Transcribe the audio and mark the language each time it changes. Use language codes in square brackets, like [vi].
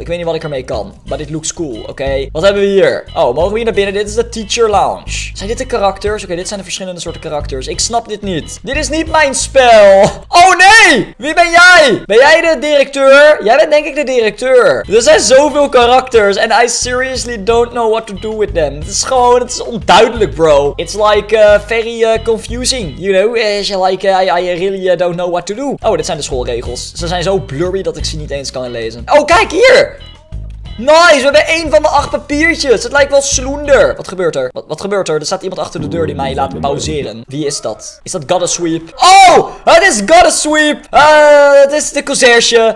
[nl] Ik weet niet wat ik ermee kan. Maar dit [en] looks cool, [nl] oké? Wat hebben we hier? Oh, mogen we hier naar binnen? Dit is de teacher lounge. Zijn dit de karakters? Oké, dit zijn de verschillende soorten karakters. Ik snap dit niet. Dit is niet mijn spel. Oh, nee! Wie ben jij? Ben jij de directeur? Jij bent denk ik de directeur. Er zijn zoveel karakters. [en] And I seriously don't know what to do with them. [nl] Het is gewoon... Het is onduidelijk, [en] bro. It's like very confusing. You know? It's like I really don't know what to do. [nl] Oh, dit zijn de schoolregels. Ze zijn zo blurry dat ik ze niet eens kan lezen. Oh, kijk hier! Nice, we hebben 1 van de 8 papiertjes. Het lijkt wel Slender. Wat gebeurt er? Wat gebeurt er? Er staat iemand achter de deur die mij laat pauzeren. Wie is dat? Is dat Godasweep? Oh, het is Godasweep. Het is de conciërge.